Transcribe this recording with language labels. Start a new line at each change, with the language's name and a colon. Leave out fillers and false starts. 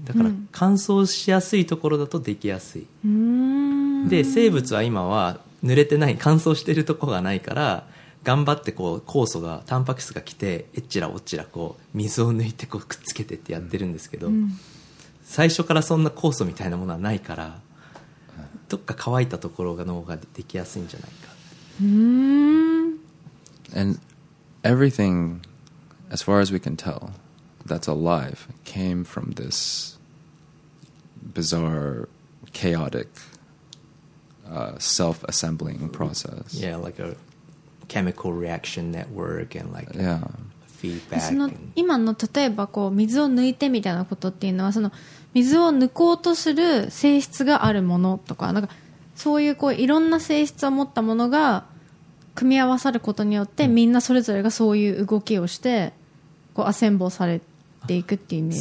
Japanese: だから乾燥しやすいところだとできやすい、で生物は今は濡れてない乾燥してるところがないから頑張ってこう酵素がタンパク質が来てえっちらおっちらこう水を抜いてこうくっつけてってやってるんですけど、最初からそんな酵素みたいなものはないから、どっか乾いたところの方ができやすいんじゃないか。
English: And everythingAs far as we can tell, that's alive came from this bizarre, chaotic, self-assembling process. Yeah, like a chemical reaction network and like feedback.
Japanese: その今の例えばこう水を抜いてみたいなことっていうのは、その水を抜こうとする性質があるものとか、なんかそういうこういろんな性質を持ったものが組み合わさることによって、みんなそれぞれがそういう動きをして。こうアセンボーされていくっていうイメージ。